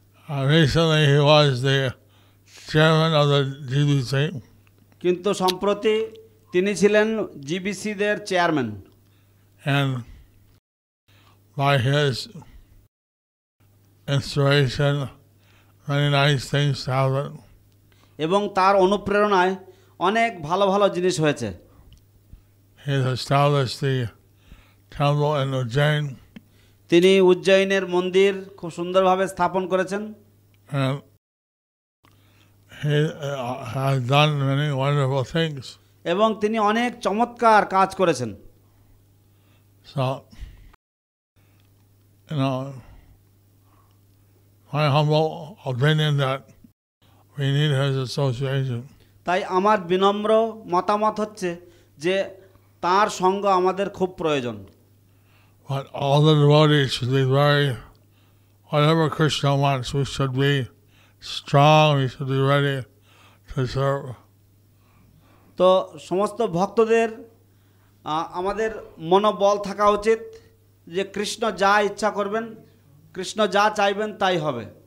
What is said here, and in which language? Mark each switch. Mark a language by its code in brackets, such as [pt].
[en] recently he was the chairman of the GBC [bn] কিন্তু সম্প্রতি তিনি ছিলেন জিবিসির chairman [en] and by his inspiration, many nice things happen. [bn] এবং তার অনুপ্রেরণায় অনেক ভালো ভালো জিনিস হয়েছে. [en] He established the temple in Ujjain. [bn] তিনি উজ্জয়িনীর মন্দির খুব সুন্দরভাবে স্থাপন করেছেন. [en] And he has done many wonderful things. [bn] এবং তিনি অনেক চমৎকার কাজ করেছেন. [en] So, you know, my humble opinion that we need his association. [bn] তাই আমার বিনম্র মতামত হচ্ছে যে তার সঙ্গ আমাদের খুব প্রয়োজন. [en] But all the devotees should be very, whatever Krishna wants, we should be strong, we should be ready to serve. [bn] তো সমস্ত ভক্তদের আমাদের মনোবল থাকা উচিত যে কৃষ্ণ যা ইচ্ছা করবেন কৃষ্ণ যা চাইবেন তাই হবে